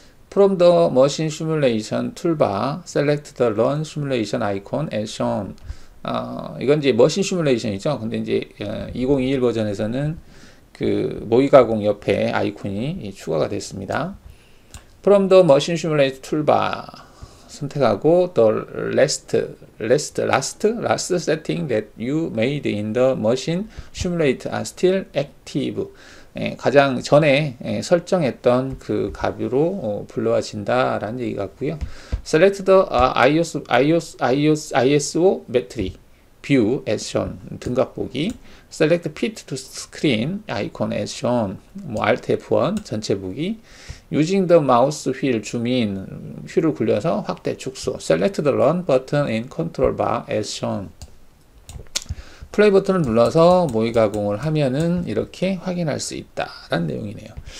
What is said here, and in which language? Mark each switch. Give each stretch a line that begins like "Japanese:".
English: From the machine simulation toolbar, select the run simulation icon as shown.
Korean: 이건 이제 머신 시뮬레이션이죠. 근데 이제 2021 버전에서는 그 모의가공 옆에 아이콘이 추가가 됐습니다.
English: From the machine simulate toolbar
Korean: 선택하고
English: the last setting that you made in the machine simulate are still active.
Korean: 가장 전에 설정했던 그 값으로 불러와진다라는 얘기 같고요.
English: Select the ISO metric. View as shown 등각 보기 Select Fit to Screen icon as shown 뭐 Alt F1 전체 보기 Using the mouse wheel zoom in
Korean: 휠을 굴려서 확대 축소
English: Select the Run button in Control bar as shown
Korean: 플레이 버튼을 눌러서 모의 가공을 하면은 이렇게 확인할 수 있다라는 내용이네요.